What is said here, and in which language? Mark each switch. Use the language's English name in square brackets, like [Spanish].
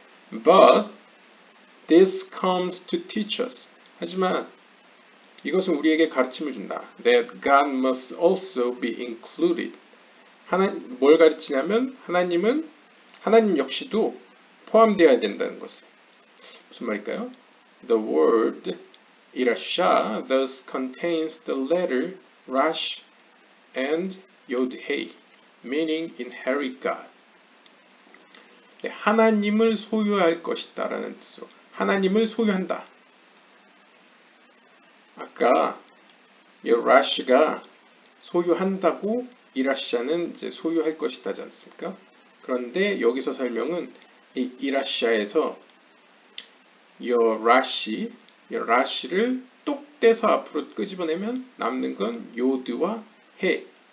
[English] But this comes to teach us. [Korean] 하지만 이것은 우리에게 가르침을 준다. [English] That God must also be included. [Korean] 뭘 가르치냐면 하나님 역시도 포함되어야 된다는 것을. 무슨 말일까요? [English] The word 이라샤 thus contains the letter Rash and Yod-Heh, meaning inherit God. [Korean] 네, 하나님을 소유할 것이다 라는 뜻으로 하나님을 소유한다. 아까 이 Rash가 소유한다고 이라샤는 이제 소유할 것이다 하지 않습니까? 그런데 여기서 설명은 이 이라시아에서 요라시를 똑 떼서 앞으로 끄집어내면 남는 건 요드와 해.